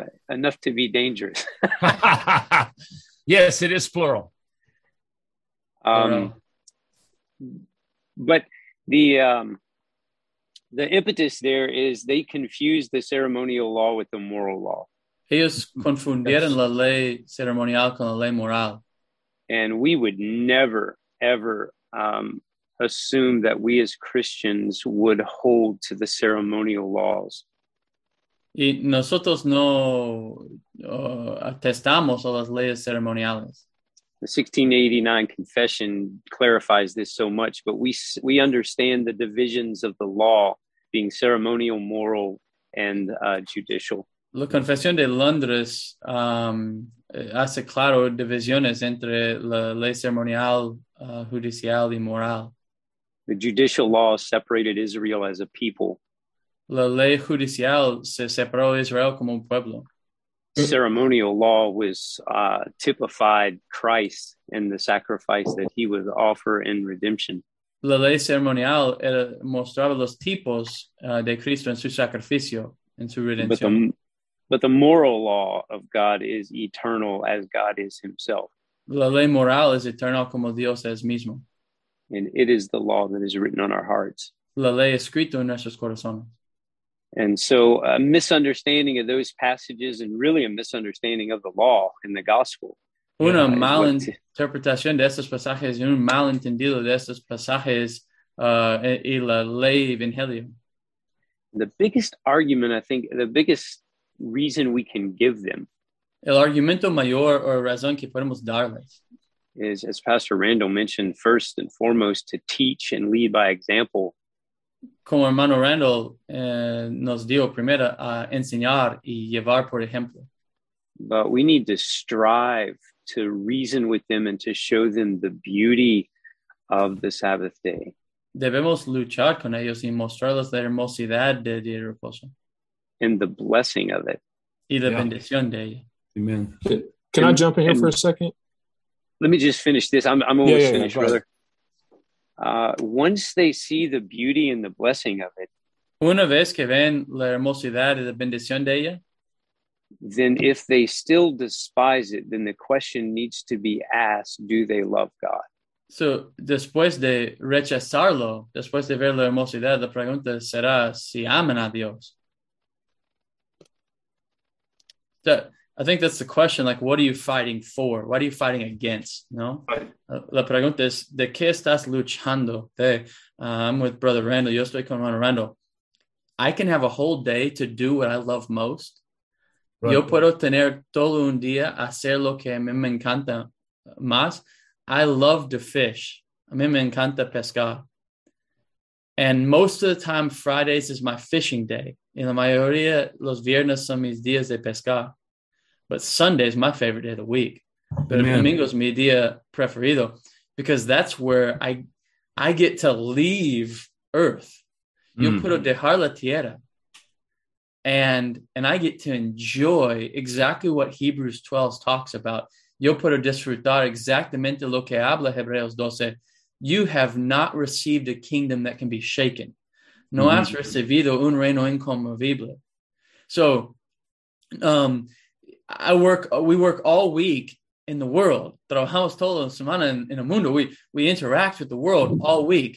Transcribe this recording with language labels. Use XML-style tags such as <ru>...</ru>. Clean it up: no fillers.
<en>Enough to be dangerous. Yes, it is plural. But the impetus there is they confuse the ceremonial law with the moral law.</en> <es>Ellos confundieron la ley ceremonial con la ley moral.</es> <en>And we would never, ever assume that we as Christians would hold to the ceremonial laws.</en> <es>Y nosotros no atestamos a las leyes ceremoniales.</es> <en>The 1689 Confession clarifies this so much, but we understand the divisions of the law being ceremonial, moral, and judicial.</en> <es>La Confesión de Londres hace claro divisiones entre la ley ceremonial, judicial, y moral.</es> <en>The judicial law separated Israel as a people.</en> <es>La ley judicial se separó Israel como un pueblo.</es> <en>Ceremonial law was typified Christ and the sacrifice that he would offer in redemption.</en> <es>La ley ceremonial era, mostraba los tipos de Cristo en su sacrificio, en su redención.</es> <en>But the moral law of God is eternal as God is himself.</en> <es>La ley moral es eternal como Dios es mismo.</es> <en>And it is the law that is written on our hearts.</en> <es>La ley escrito en nuestros corazones.</es> <en>And so a misunderstanding of those passages and really a misunderstanding of the law in the gospel.</en> <es>Una mala interpretación de estos pasajes y un mal entendido de estos pasajes y la ley evangelio.</es> <en>The biggest argument, I think, the biggest reason we can give them.</en> <es>El argumento mayor o razón que podemos darles.</es> <en>Is, as Pastor Randall mentioned, first and foremost, to teach and lead by example.</en> <es>Como hermano Randall nos dio primero a enseñar y llevar por ejemplo.</es> <en>But we need to strive to reason with them and to show them the beauty of the Sabbath day.</en> <es>Debemos luchar con ellos y mostrarles la hermosidad del día de reposo.</es> <en>And the blessing of it.</en> <es>Y la bendición de ella.</es> <en>Amen. Can I jump in here for a second? Let me just finish this. I'm almost finished, brother. Once they see the beauty and the blessing of it,</en> <es>una vez que ven la hermosidad y la bendición de ella,</es> <en>then if they still despise it, then the question needs to be asked, do they love God?</en> <es>So, después de rechazarlo, después de ver la hermosidad, la pregunta será si aman a Dios.</es> <en>So, I think that's the question, like, what are you fighting for? What are you fighting against, no?</en> <es>La pregunta es, ¿de qué estás luchando?</es> <en>Hey, I'm with Brother Randall.</en> <es>Yo estoy con Brother Randall.</es> <en>I can have a whole day to do what I love most. Right.</en> <es>Yo puedo tener todo un día hacer lo que a mí me encanta más.</es> <en>I love to fish.</en> <es>A mí me encanta pescar.</es> <en>And most of the time, Fridays is my fishing day.</en> <es>Y la mayoría, los viernes son mis días de pescar.</es> <en>But Sunday is my favorite day of the week. But</en> <es>domingo es mi día preferido.</es> <en>Because that's where I get to leave Earth.</en> <es>Yo puedo dejar la tierra.</es> <en>And I get to enjoy exactly what Hebrews 12 talks about.</en> <es>Yo puedo disfrutar exactamente lo que habla Hebreos 12.</es> <en>You have not received a kingdom that can be shaken.</en> <es>No has recibido un reino inconmovible.</es> <en>So, we work all week in the world.</en> <es>Trabajamos toda la semana en el mundo.</es> <en>We interact with the world all week.</en>